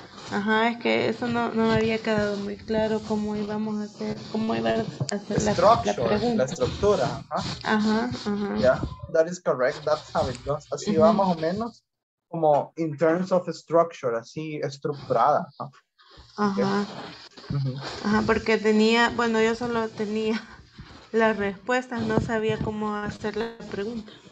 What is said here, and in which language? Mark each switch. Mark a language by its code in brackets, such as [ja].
[es] Ajá, es que eso no me había quedado muy claro cómo íbamos a hacer, cómo iba a hacer la pregunta. La estructura, ajá. Ajá, ajá. [en] Yeah, that is correct, that's how it goes. [es] Así uh-huh. va más o menos, como [en] in terms of structure, [es] así estructurada. Ajá. Okay. Uh-huh. Ajá, porque tenía, bueno, yo solo tenía las respuestas, no sabía cómo hacer la pregunta.